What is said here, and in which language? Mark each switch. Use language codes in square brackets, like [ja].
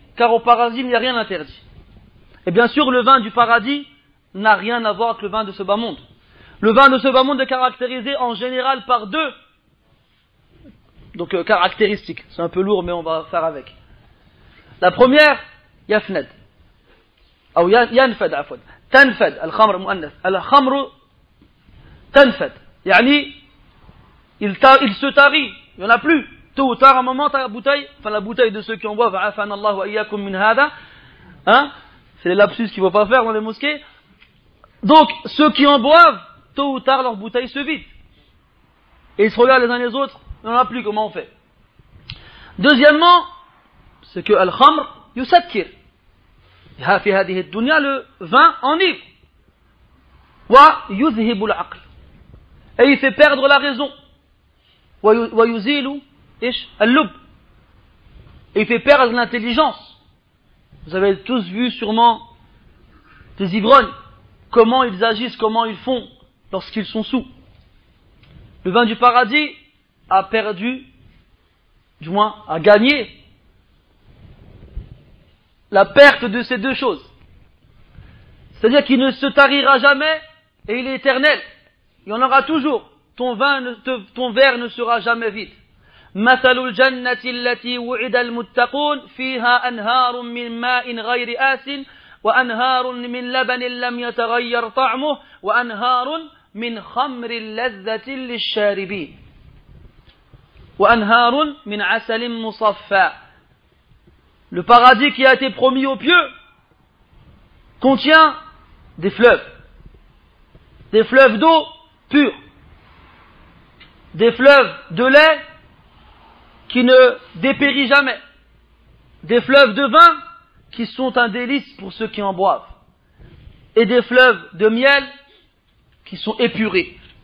[fr] Car au paradis, il n'y a rien d'interdit. Et bien sûr, le vin du paradis n'a rien à voir avec le vin de ce bas monde. Le vin de ce bas monde est caractérisé en général par deux caractéristiques. C'est un peu lourd, mais on va faire avec. La première, yafned. [ar] أو ينفد عفوا تنفد الخمر مؤنث الخمر تنفد يعني il se tarit, il n'y en a plus. [fr] Tôt ou tard, à un moment, ta bouteille, enfin la bouteille de ceux qui en boivent, va'afana Allah wa iyyakum min hada. Hein? C'est les lapsus qu'il ne faut pas faire dans les mosquées. Donc, ceux qui en boivent, tôt ou tard, leur bouteille se vide. Et ils se regardent les uns les autres, il n'y en a plus, comment on fait? Deuxièmement, c'est que al-khamr yusakir. Le vin enivre. Wa yuzhibu l'aql. Et il fait perdre la raison. Wa yuzilu ish al-lub. Et il fait perdre l'intelligence. Vous avez tous vu sûrement des ivrognes. Comment ils agissent, comment ils font lorsqu'ils sont sous. Le vin du paradis a perdu, du moins a gagné, la perte de ces deux choses. C'est-à-dire qu'il ne se tarira jamais et il est éternel. Il y en aura toujours. Ton vin, ton verre ne sera jamais vide. [ar] مثل الجنة التي وعد المتقون فيها أنهار من ماء غير آس وأنهار من لبن لم يتغير طعمه وأنهار من خمر لذة للشاربين وأنهار من عسل مصفى. [fr] Le paradis qui a été promis aux pieux contient des fleuves d'eau pure, des fleuves de lait qui ne dépérit jamais, des fleuves de vin qui sont un délice pour ceux qui en boivent, et des fleuves de miel qui sont épurés.